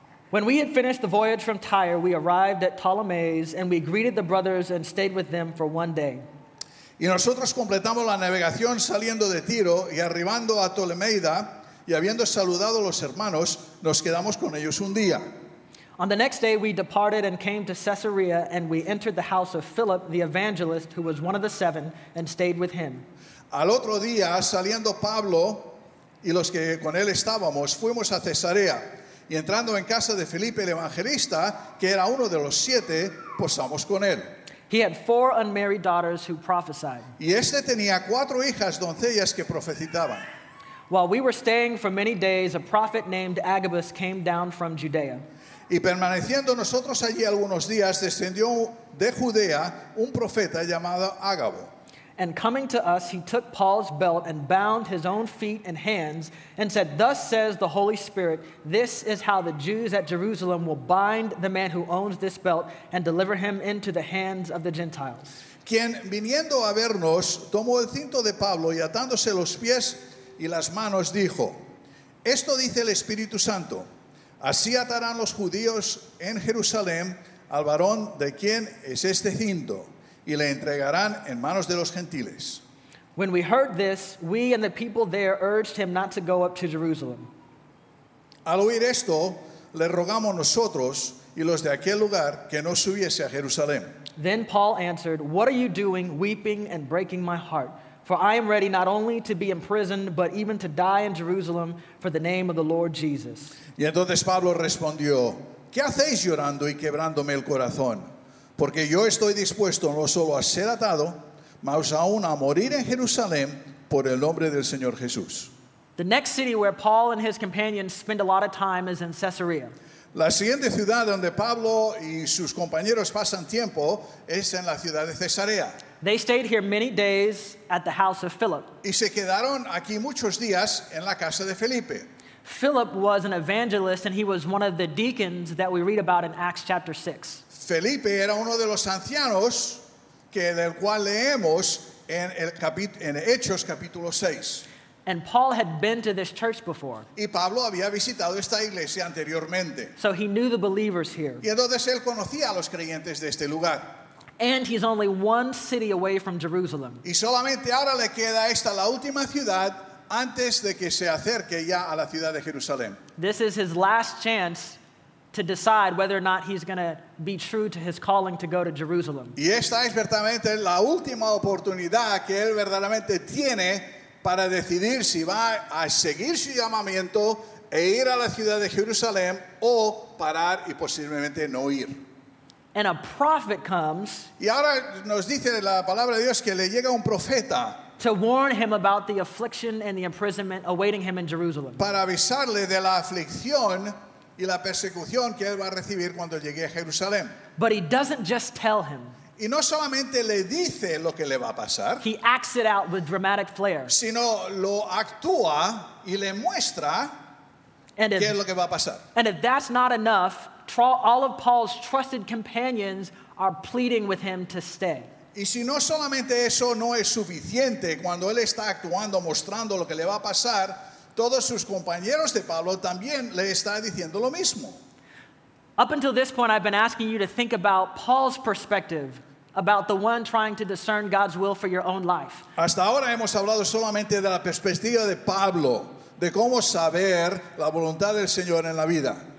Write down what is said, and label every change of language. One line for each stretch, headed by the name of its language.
English: When we had finished the voyage from Tyre, we arrived at Ptolemais, and we greeted the brothers and stayed with them for one day.
Spanish: Y nosotros completamos la navegación saliendo de Tiro y arribando a Ptolemaida, y habiendo saludado a los hermanos, nos quedamos con ellos un día.
English: On the next day, we departed and came to Caesarea, and we entered the house of Philip, the evangelist, who was one of the seven, and stayed with him.
Spanish: Al otro día, saliendo Pablo y los que con él estábamos, fuimos a Cesarea, y entrando en casa de Felipe el evangelista, que era uno de los siete, posamos con él.
English: He had four unmarried daughters who prophesied.
Spanish: Y este tenía cuatro hijas doncellas que profetizaban.
English: While we were staying for many days, a prophet named Agabus came down from Judea.
Spanish: Y permaneciendo nosotros allí algunos días, descendió de Judea un profeta llamado Ágabo.
English: And coming to us, he took Paul's belt and bound his own feet and hands and said, thus says the Holy Spirit, this is how the Jews at Jerusalem will bind the man who owns this belt and deliver him into the hands of the Gentiles.
Spanish: Quien viniendo a vernos, tomó el cinto de Pablo y atándose los pies y las manos dijo, esto dice el Espíritu Santo, así atarán los judíos en Jerusalén al varón de quien es este cinto. Y le entregarán en manos de los gentiles.
English: When we heard this, we and the people there urged him not to go up to Jerusalem.
Spanish: Al oír esto, le rogamos nosotros y los de aquel lugar que no subiese a Jerusalén.
English: Then Paul answered, "What are you doing, weeping and breaking my heart? For I am ready not only to be imprisoned, but even to die in Jerusalem for the name of the Lord Jesus."
Spanish: Y entonces Pablo respondió, "¿Qué hacéis llorando y quebrándome el corazón? Porque yo estoy dispuesto no solo a ser atado, mas aún a morir en Jerusalén por el nombre del Señor Jesús.
English: The next city where Paul and his companions spend a lot of time is in Caesarea.
Spanish: La siguiente ciudad donde Pablo y sus compañeros pasan tiempo es en la ciudad de Cesarea.
English: They stayed here many days at the house of Philip.
Spanish: Y se quedaron aquí muchos días en la casa de Felipe.
English: Philip was an evangelist and he was one of the deacons that we read about in Acts chapter 6.
Spanish: Felipe era uno de los ancianos que del cual leemos en el en Hechos capítulo 6.
English: And Paul had been to this church before.
Spanish: Y Pablo había visitado esta iglesia anteriormente.
English: So he knew the believers here.
Spanish: Y entonces él conocía a los creyentes de este lugar.
English: And he's only one city away from Jerusalem.
Spanish: Y solamente ahora le queda esta la última ciudad antes de que se acerque ya a la ciudad de Jerusalén.
English: This is his last chance to decide whether or not he's going to be true to his calling to go to Jerusalem.
Spanish: Y esta es verdaderamente la última oportunidad que él verdaderamente tiene para decidir si va a seguir su llamamiento e ir a la ciudad de Jerusalén o parar y posiblemente no ir.
English: And a prophet comes.
Spanish: Y ahora nos dice la palabra de Dios que le llega un profeta
English: to warn him about the affliction and the imprisonment awaiting him in Jerusalem.
Spanish: Para avisarle de la aflicción y la persecución que él va a recibir cuando llegue a Jerusalén.
English: But he doesn't just tell him.
Spanish: Y no solamente le dice lo que le va a pasar.
English: He acts it out with dramatic flair.
Spanish: Sino lo actúa y le muestra qué es lo que va a pasar.
English: And if that's not enough, all of Paul's trusted companions are pleading with him to stay.
Spanish: Y si no solamente eso no es suficiente, cuando él está actuando, mostrando lo que le va a pasar, todos sus compañeros de Pablo también le está diciendo lo mismo.
English: Up until this point, I've been asking you to think about Paul's perspective about the one trying to discern God's will for your own life.
Spanish: Hasta ahora hemos hablado solamente de la perspectiva de Pablo, de cómo saber la voluntad del Señor en la vida.